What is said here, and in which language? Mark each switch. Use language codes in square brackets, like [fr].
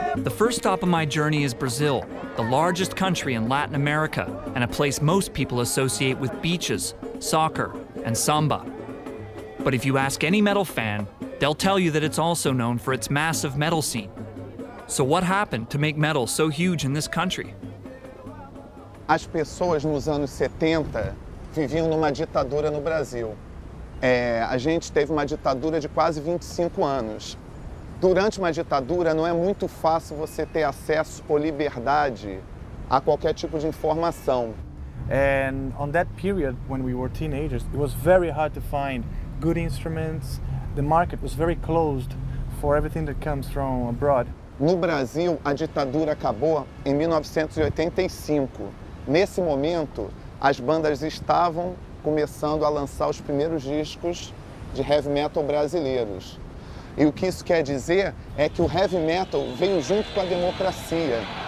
[en] First stop of my journey is Brazil, the largest country in Latin America, and a place most people associate with beaches, soccer, and samba. But if you ask any metal fan, They'll tell you that it's also known for its massive metal scene. So what happened to make metal so huge in this country? [pt] As pessoas nos anos 70 viviam numa ditadura no Brasil. A gente teve uma ditadura de quase 25 anos. Durante uma ditadura, não é muito fácil você ter acesso ou liberdade a qualquer tipo de informação. [en] And on that period, when we were teenagers, it was very hard to find good instruments. The market was very closed for everything that comes from abroad. [pt] No Brasil, a ditadura acabou em 1985. Nesse momento, as bandas estavam começando a lançar os primeiros discos de heavy metal brasileiros. E o que isso quer dizer é que o heavy metal veio junto com a democracia.